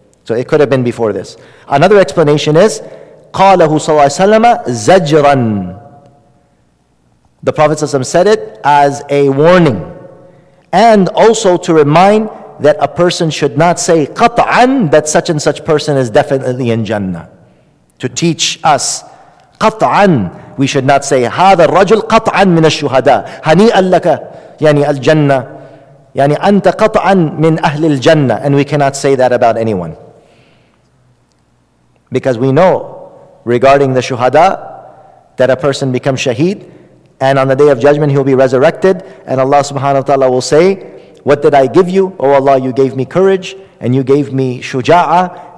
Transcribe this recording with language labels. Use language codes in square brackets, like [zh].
[en] So it could have been before this. Another explanation is [ar] قَالَهُ صَلَى اللَّهِ سَلَّمَ زَجْرًا. [en] The Prophet ﷺ said it as a warning. And also to remind that a person should not say قَطْعًا, that such and such person is definitely in Jannah. To teach us [ar] قَطْعًا, [en] we should not say [ar] هَذَا الرَّجُلْ قَطْعًا مِنَ الشُّهَدَاءِ هَنِيئًا لَكَ يعني الجنة يعني أنت قَطْعًا مِنْ أَهْلِ الْجَنَّةِ. [en] And we cannot say that about anyone. Because we know regarding the shuhada that a person becomes shaheed, and on the day of judgment he'll be resurrected, and Allah subhanahu wa ta'ala will say, what did I give you? Oh Allah, you gave me courage and you gave me shuja'ah.